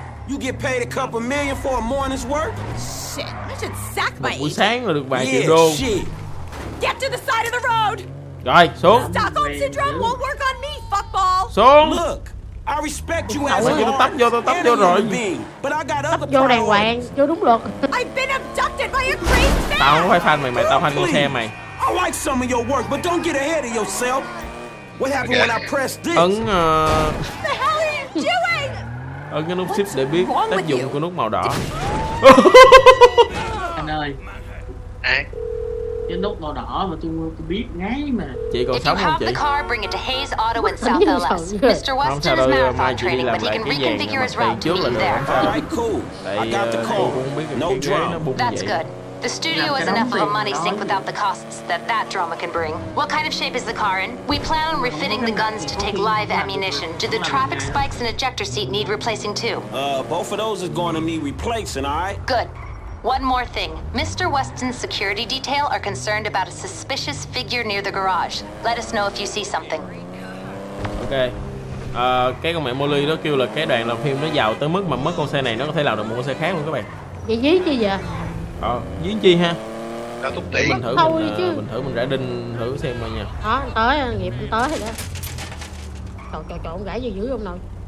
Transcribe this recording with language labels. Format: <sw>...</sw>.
<en>You get paid a couple million for a morning's work? Shit, I should sack my.</en> <vi>Buổi sáng là được vài triệu đô.</vi> <en>Get to the side of the road.</en> <vi>Rồi, xuống.</vi> <en>Stockholm syndrome won't work on me, fuckball.</en> <vi>Xuống.</vi> <en>Look, I respect you as a</en> <vi>man. Tắp vô rồi. Tắp vô đàng hoàng, vô đúng luật.</vi> <en>I've been abducted by a crazy man.</en> <vi>Tao không phải fan mày, tao fan con xe mày.</vi> <en>I like some of your work, but don't get ahead of yourself. What happened when I pressed this? Ấn The hell are you doing?</en> <vi>Ấn cái nút shift để biết tác dụng của nút màu đỏ. Anh ơi. Cái nút màu đỏ mà tôi biết ngay mà. Chị còn sống không chị?</vi> <en>Car, bring it to Hayes Auto in South LS. Mr. Weston is marathon training, but he can reconfigure his route to meet you there. All right, cool. Tại, I got the call. No drama. That's good. The studio is enough of a money sink without the costs that drama can bring. What kind of shape is the car in? We plan on refitting the guns to take live ammunition. Do the traffic spikes and ejector seat need replacing too? Both of those is going to need replacing, all right? Good. One more thing. Mr. Weston's security detail are concerned about a suspicious figure near the garage. Let us know if you see something. Okay.</en> <vi>Cái con mẹ Molly đó kêu là cái đoạn làm phim nó giàu tới mức mà mất con xe này nó có thể làm được một con xe khác luôn các bạn. Vậy dí chi vậy? Dí chi ha? Đã thúc tỷ. Mình thử mình rải đinh thử xem mà nha. Đó, anh tới, nghiệp anh tới rồi đó. Trời, ông rải dữ không nào?</vi>